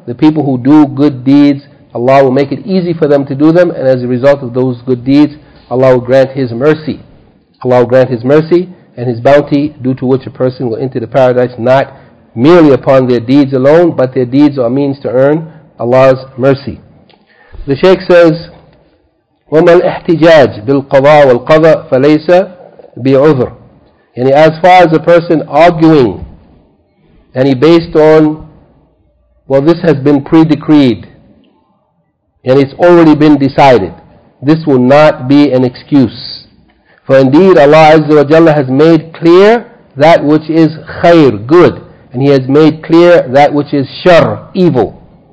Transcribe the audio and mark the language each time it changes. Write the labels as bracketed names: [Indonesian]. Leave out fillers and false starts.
[English] The people who do good deeds, Allah will make it easy for them to do them, and as a result of those good deeds, Allah will grant His mercy. Allah will grant His mercy and His bounty, due to which a person will enter the paradise, not merely upon their deeds alone, but their deeds are means to earn Allah's mercy. The Shaykh says, [Arabic] وَمَا الْإِحْتِجَاجِ بِالْقَضَى وَالْقَضَى فَلَيْسَ بِعُذْرٍ. [English] And as far as a person arguing, and he based on, well, this has been pre-decreed, and it's already been decided, this will not be an excuse. For indeed Allah Azza wa Jalla has made clear that which is khair, good, and He has made clear that which is shar, evil.